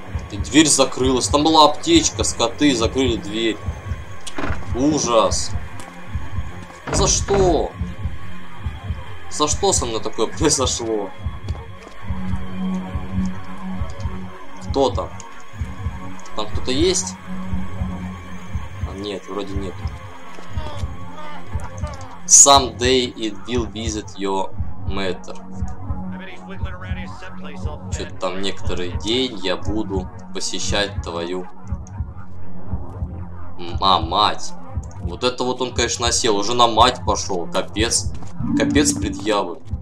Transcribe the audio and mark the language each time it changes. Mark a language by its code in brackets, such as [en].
[ru] И дверь закрылась. Там была аптечка, скоты закрыли дверь. Ужас. За что? За что со мной такое произошло? Кто там? Там кто-то есть? А нет, вроде нет. [en] Someday it will visit your matter. [ru] Что-то там некоторый день я буду посещать твою... А, мать. Вот это вот он, конечно, осел. Уже на мать пошел. Капец. Капец предъявы.